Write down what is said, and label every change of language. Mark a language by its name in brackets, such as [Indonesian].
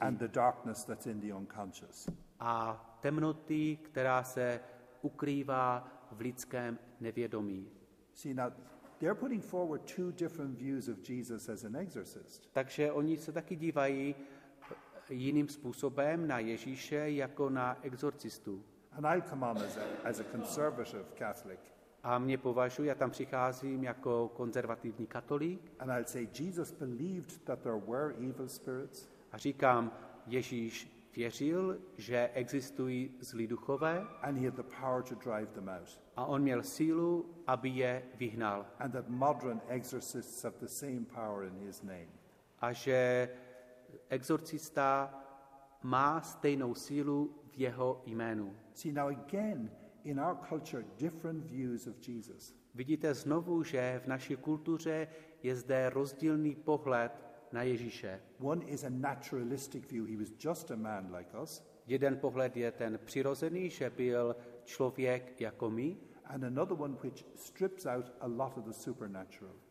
[English] And the darkness that's in the unconscious. [Czech] A temnoty, která se ukrývá v lidském nevědomí. [English] See, now, they're putting forward two different views of Jesus as an exorcist. [Czech] Takže oni se taky dívají jiným způsobem na Ježíše jako na exorcistu. [English] And I come on as a conservative Catholic. [Czech] A mě považuji, já tam přicházím jako konzervativní katolík. [English] And I'll say Jesus believed that there were evil spirits. [Czech] A říkám, Ježíš věřil, že existují zlí duchové. [English] And he had the power to drive them out. [Czech] A on měl sílu, aby je vyhnal. [English] And that modern exorcists have the same power in his name. [Czech] A že exorcista má stejnou sílu v jeho jménu. [English] See, now again, in our culture, different views of Jesus. [Czech] Vidíte znovu, že v naší kultuře je zde rozdílný pohled na Ježíše. [English] One is a naturalistic view. He was just a man like us. [Czech] Jeden pohled je ten přirozený, že byl člověk jako my. [English] And another one which strips out a lot of the supernatural.